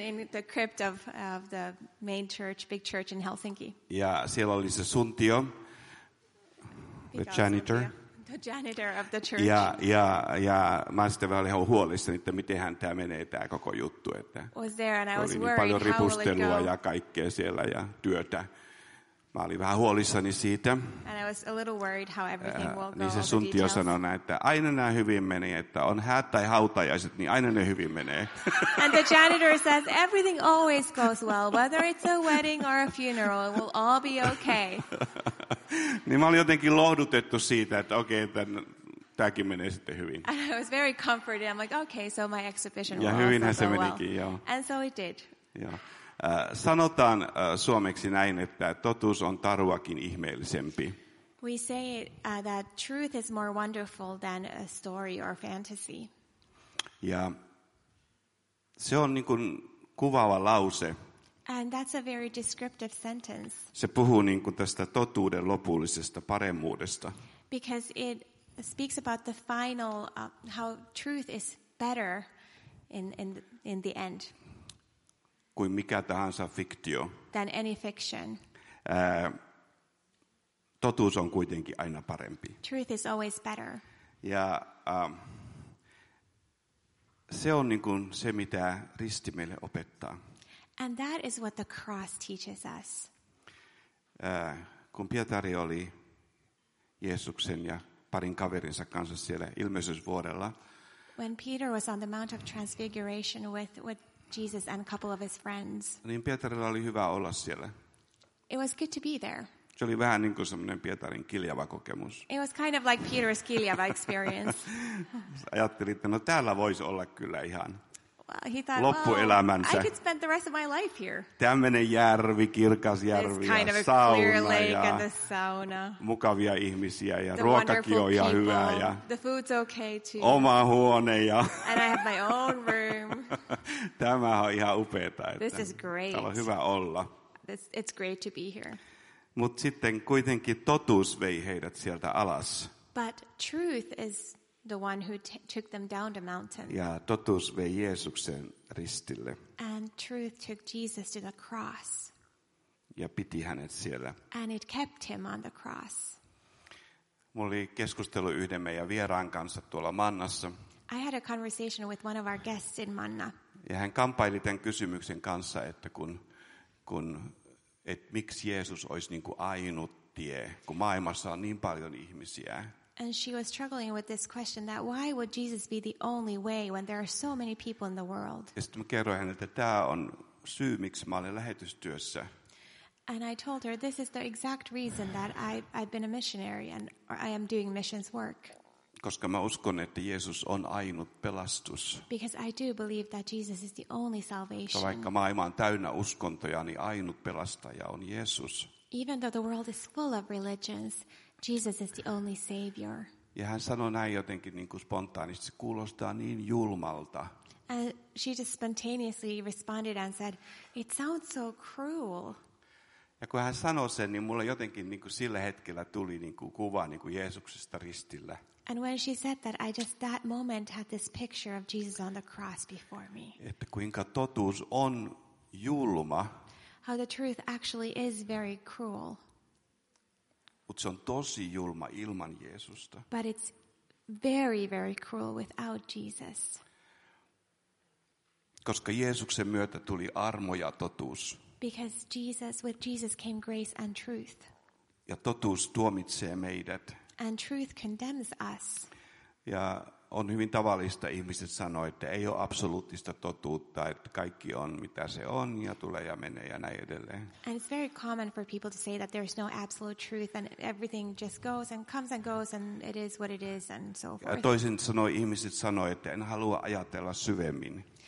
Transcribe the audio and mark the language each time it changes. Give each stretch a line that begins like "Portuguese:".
English: in the crypt of the main church, big church in Helsinki.
Finnish: Ja siellä oli se suntio,
English: the janitor. The janitor of the church.
Finnish: Ja mä sitten vähän ihan huolissani, että mitenhän tämä menee, tämä koko juttu. Että
English: was there and I was
Finnish: oli
English: worried,
Finnish: paljon ripustelua ja kaikkea siellä ja työtä. Mä olin vähän huolissani siitä.
English: And I was a little worried how everything will go.
Finnish: Niin se suntio sanoi näin, että aina nämä hyvin menee, että on häät tai hautajaiset, niin aina ne hyvin menee.
English: And the janitor says, everything always goes well, whether it's a wedding or a funeral, it will all be okay.
Finnish: Niin mä olin jotenkin lohdutettu siitä, että okei, tämäkin menee sitten hyvin.
English: And I was very comforted. I'm like, okay, so my exhibition will also go well.
Finnish: Ja hyvinhän se menikin, joo.
English: And so it did.
Finnish: Joo. Sanotaan suomeksi näin, että totuus on taruakin ihmeellisempi.
English: We say that truth is more wonderful than a story or fantasy.
Finnish: Ja se on niin kuin kuvaava lause.
English: And that's a very descriptive sentence.
Finnish: Se puhuu niin kuin tästä totuuden lopullisesta paremmuudesta.
English: Because it speaks about the final how truth is better in the end.
Finnish: Kuin mikä tahansa fiktio.
English: Than any fiction.
Finnish: Totuus on kuitenkin aina parempi.
English: Truth is always better.
Finnish: Ja se on niin kuin se mitä risti meille opettaa.
English: And that is what the cross teaches us.
Finnish: Kun Pietari oli Jeesuksen ja parin kaverinsa kanssa siellä ilmestysvuorella.
English: When Peter was on the Mount of Transfiguration with Jesus and a couple of his friends.
Finnish: Niin Pietarilla oli hyvä olla siellä.
English: It was good to be there.
Finnish: Se oli vähän niin kuin semmoinen Pietarin kiljava kokemus.
English: It was kind of like Peter's kiljava experience.
Finnish: Ajattelin, että no täällä voisi olla kyllä ihan
English: well,
Finnish: loppuelämänsä.
English: Well, I could spend the rest of my life here.
Finnish: Tämmöinen järvi, kirkas järvi
English: this
Finnish: ja
English: kind of a
Finnish: sauna
English: clear lake
Finnish: ja
English: and the sauna.
Finnish: Mukavia ihmisiä ja
English: the
Finnish: ruokakin on ja hyvää. Ja
English: the food's okay too.
Finnish: Oma huone ja
English: and I have my own room.
Finnish: Tämä on ihan upeeta.
English: This is great.
Finnish: Täällä on hyvä olla.
English: It's great to be here.
Finnish: Mut sitten kuitenkin totuus vei heidät sieltä alas.
English: But truth is the one who took them down the mountain.
Finnish: Ja totuus vei Jeesuksen ristille.
English: And truth took Jesus to the cross.
Finnish: Ja piti hänet siellä.
English: And it kept him on the cross.
Finnish: Mulla oli keskustelu yhden meidän vieraan kanssa tuolla Mannassa.
English: I had a conversation with one of our guests in Manna.
Finnish: Ja hän kampaili tämän kysymyksen kanssa, että kun et miksi Jeesus olisi niinku ainut tie, kun maailmassa on niin paljon ihmisiä.
English: And she was struggling with this question that why would Jesus be the only way when there are so many people in the world?
Finnish: Ja sitten mä kerroin hänelle, että tämä on syy, miksi mä olen lähetystyössä.
English: And I told her this is the exact reason that I've been a missionary and I am doing missions work.
Finnish: Koska mä uskon, että Jeesus on ainut pelastus.
English: Because I do believe that Jesus is the only salvation.
Finnish: Ja vaikka maailma on täynnä uskontoja, niin ainut pelastaja on Jeesus.
English: Even though the world is full of religions, Jesus is the only savior.
Finnish: Ja hän sanoi näin jotenkin niin kuin spontaanisti, se kuulostaa niin julmalta.
English: And she just spontaneously responded and said, "It sounds so cruel."
Finnish: Ja kun hän sanoi sen, niin mulle jotenkin niin kuin sillä hetkellä tuli niin kuin kuva niin kuin Jeesuksesta ristillä.
English: And when she said that, I just that moment had this picture of Jesus on the cross before me.
Finnish: Että kuinka totuus on julma.
English: How the truth actually is very cruel.
Finnish: Mut se on tosi julma ilman Jeesusta.
English: But it's very, very cruel without Jesus.
Finnish: Koska Jeesuksen myötä tuli armo ja totuus.
English: Because Jesus, with Jesus came grace and truth.
Finnish: Ja totuus tuomitsee meidät.
English: And truth condemns us.
Finnish: Ja on hyvin tavallista ihmiset sanoa, että ei ole absoluuttista totuutta, että kaikki on mitä se on ja tulee ja menee ja näin edelleen.
English: And it's very common for people to say that there's no absolute truth and everything just goes and comes and goes and it is what it is and so forth.
Finnish: Ja toisin sanoen ihmiset sanoo, että en halua ajatella syvemmin.